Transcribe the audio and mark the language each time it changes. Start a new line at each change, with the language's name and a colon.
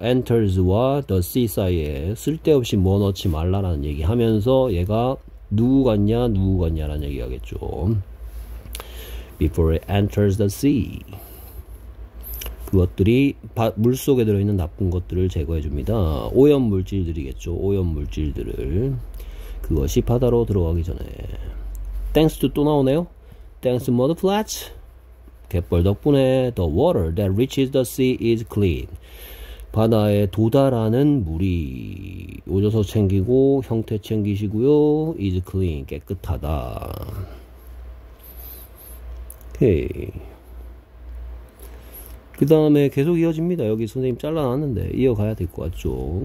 Korean: enters와 the sea 사이에 쓸데없이 뭐 넣지 말라라는 얘기 하면서 얘가 누구 같냐, 누구 같냐라는 얘기 하겠죠.
English: Before it enters the sea.
Korean: 그것들이 물 속에 들어있는 나쁜 것들을 제거해줍니다. 오염 물질들이겠죠. 오염 물질들을. 그것이 바다로 들어가기 전에.
English: Thanks to
Korean: 또 나오네요.
English: Thanks, mud flats.
Korean: 갯벌 덕분에
English: the water that reaches the sea is clean.
Korean: 바다에 도달하는 물이 오져서 챙기고 형태 챙기시고요.
English: is clean.
Korean: 깨끗하다. 그 다음에 계속 이어집니다. 여기 선생님 잘라놨는데 이어가야 될것 같죠.